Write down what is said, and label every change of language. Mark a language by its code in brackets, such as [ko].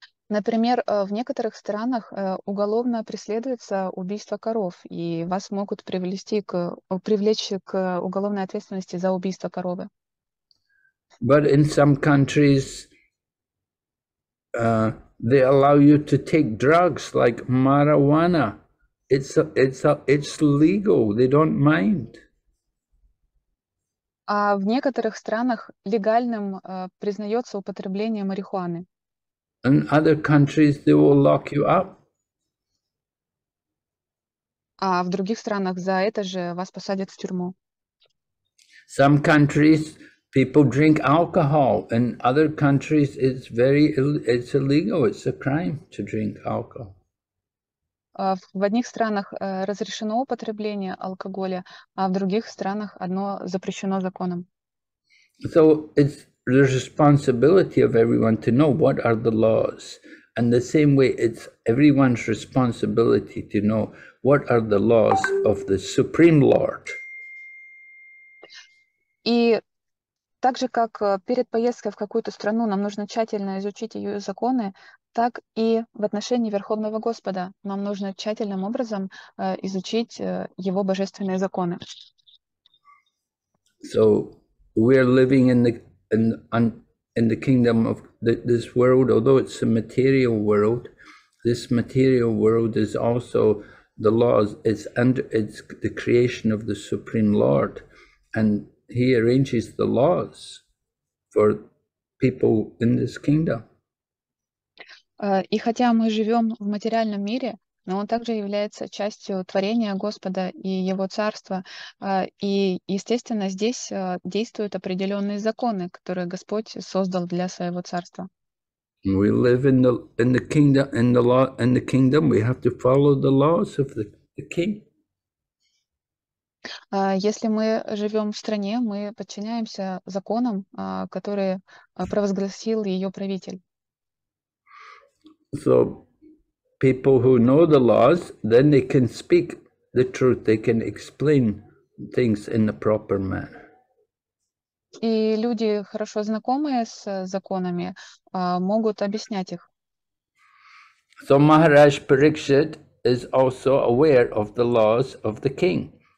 [ru] Например, в некоторых странах уголовно преследуется убийство коров, и вас могут привлечь к уголовной ответственности за убийство коровы. [en] But in some countries they allow you to take drugs like marijuana. It's legal. They don't mind. [ru] А в некоторых странах легальным признается употребление марихуаны. [en] In other countries they will lock you up. [ru] А в других странах за это же вас посадят в тюрьму. [en] Some countries people drink alcohol. In other countries it's illegal, it's a crime to drink alcohol. [ru] В одних странах разрешено употребление алкоголя, а в других странах оно запрещено законом. [en] So it's the responsibility of everyone to know what are the laws. And the same way, it's everyone's responsibility to know what are the laws of the Supreme Lord. [ru] И так же, как перед поездкой в какую-то страну нам нужно тщательно изучить ее законы, так и в отношении Верховного Господа нам нужно тщательным образом изучить его божественные законы. [en] So we are living in the kingdom of this world, although it's a material world, this material world is also the laws, it's under it's the creation of the Supreme Lord, and he arranges the laws for people in this kingdom. [ru] И хотя мы живем в материальном мире, но он также является частью творения Господа и Его Царства. И, естественно, здесь действуют определенные законы, которые Господь создал для Своего Царства. [en] We live in the kingdom, in the law, in the kingdom. We have to follow the laws of the king. [ru] Если мы живем в стране, мы подчиняемся законам, которые провозгласил ее правитель. [en] So people who know the laws, then they can speak the truth, they can explain things in the proper manner. [ru] И люди, хорошо знакомые с законами, могут объяснять их. [en] So Maharaj Parikshit is also aware of the laws of the king.